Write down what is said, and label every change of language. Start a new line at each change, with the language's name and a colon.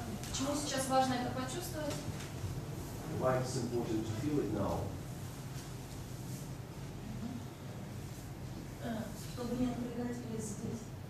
Russian: Почему сейчас важно это почувствовать?
English: Why it's important to feel it now?
Russian: Чтобы не напрягать или здесь.